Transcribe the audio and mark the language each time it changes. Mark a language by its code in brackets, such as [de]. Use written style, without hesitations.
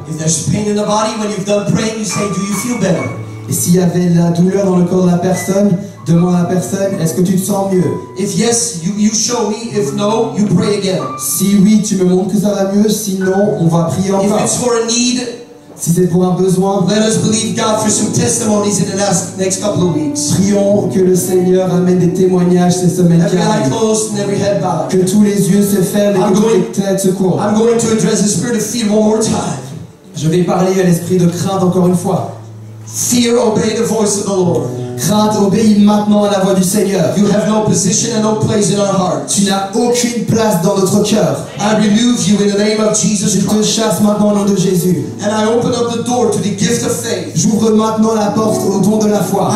[en] If there's pain in the body when you've done praying, you say, do you feel better? [fr] Et s'il y avait la douleur dans le corps de la personne, demande à la personne, est-ce que tu te sens mieux? [en] If yes, you show me. If no, you pray again. [fr] Si oui, tu me montres que ça va mieux. Sinon, on va prier encore. [en] If it's for a need, [fr] si c'est pour un besoin, [en] let us believe God for some testimonies in the next couple of weeks. [fr] Prions que le Seigneur amène des témoignages cette semaine qui arrive. Que tous les yeux se ferment et que les têtes se courent. [en] I'm going to address the spirit of fear one more time. [fr] Je vais parler à l'esprit de crainte encore une fois. [en] Fear, obey the voice of the Lord. [fr] Crainte, obéis maintenant à la voix du Seigneur. [en] You have no position and no place in our heart. [fr] Tu n'as aucune place dans notre cœur. [en] I remove you in the name of Jesus. [fr] Je te chasse maintenant au nom de Jésus. [en] And I open up the door to the gift of faith. [fr] J'ouvre maintenant la porte au don de la foi.